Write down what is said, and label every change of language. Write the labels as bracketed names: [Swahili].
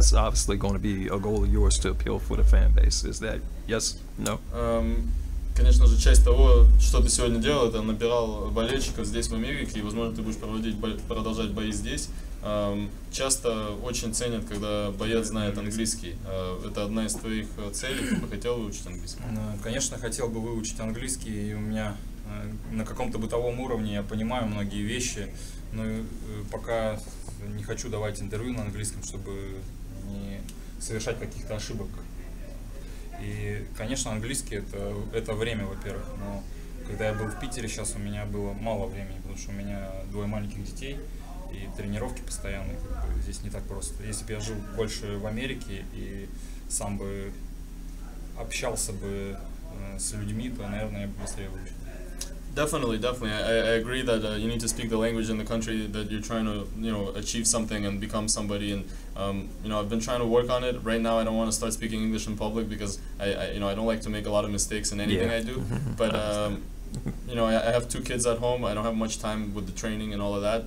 [English] That's obviously going to be a goal of yours to appeal for the fan base. Is that yes? No? [Russian] Конечно же, часть того, что ты сегодня делал, это набирал болельщиков здесь, в Америке, и, возможно, ты будешь продолжать бои здесь. Часто очень ценят, когда боец знает английский. Это одна из твоих целей, ты бы хотел выучить английский? Конечно, хотел бы выучить английский, и у меня на каком-то бытовом уровне я понимаю многие вещи, но пока не хочу давать интервью на английском, чтобы не совершать каких-то ошибок. И, конечно, английский это время, во-первых, но когда я был в Питере, сейчас у меня было мало времени, потому что у меня двое маленьких детей и тренировки постоянные, как бы, здесь не так просто. Если бы я жил больше в Америке и сам бы общался бы с людьми, то, наверное, я бы быстрее выучил. [English] Definitely, definitely. I agree that you need to speak the language in the country that you're trying to, you know, achieve something and become somebody. And you know, I've been trying to work on it. Right now, I don't want to start speaking English in public because I you know, I don't like to make a lot of mistakes in anything yeah. I do. But you know, I have two kids at home. I don't have much time with the training and all of that.